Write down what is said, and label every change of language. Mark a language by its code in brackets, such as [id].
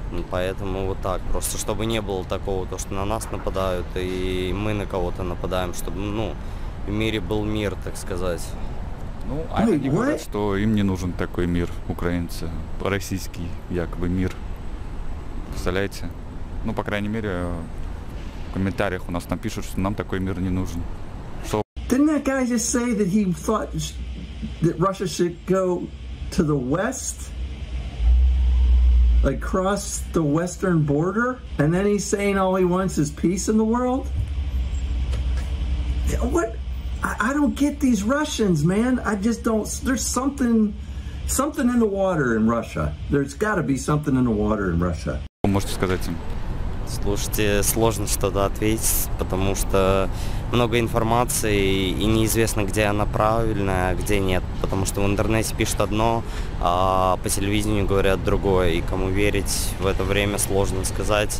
[ru] Поэтому вот так, просто чтобы не было такого, то, что на нас нападают и мы на кого-то нападаем, чтобы, ну, в мире был мир, так сказать. Ну, а они говорят, что им не нужен такой мир, украинцы, российский якобы мир, представляете? Ну, по крайней мере, в комментариях у нас там пишут, что нам такой мир не нужен. [en] So... Didn't that guy just say that he thought that Russia should go to the West? Like cross the western border, and then he's saying all he wants is peace in the world? What? I don't get these Russians, man. I just don't. There's something in the water in Russia. There's got to be something in the water in Russia. [ru] Вы можете сказать им? Слушайте, сложно что-то ответить, потому что много информации, и неизвестно, где она правильная, а где нет. Потому что в интернете пишут одно, а по телевидению говорят другое. И кому верить в это время, сложно сказать.